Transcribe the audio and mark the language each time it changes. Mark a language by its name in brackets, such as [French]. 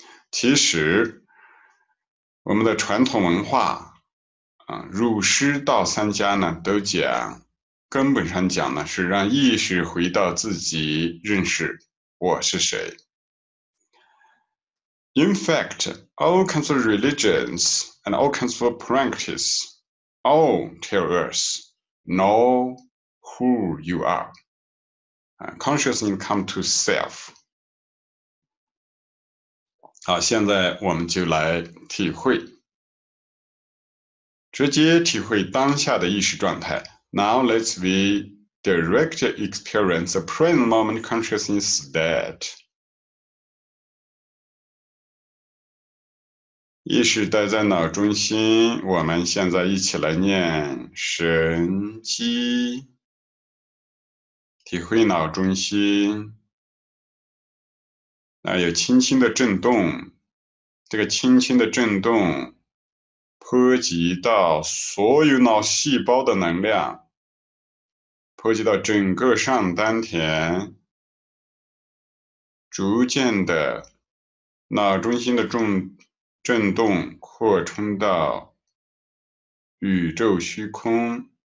[Chinese] 其实我们的传统文化儒释道三家呢都讲，根本上讲呢是让意识回到自己，认识我是谁。 [English] In fact, all kinds of religions and all kinds of practice all tell us know who you are. Consciousness come to self. [Chinese] 好，现在我们就来体会，直接体会当下的意识状态。 [English] Now let's be direct experience the present moment consciousness that. [Chinese] 意识待在脑中心，我们现在一起来念神机，体会脑中心，那有轻轻的震动，这个轻轻的震动波及到所有脑细胞的能量，波及到整个上丹田，逐渐的脑中心的震动扩充到宇宙虚空。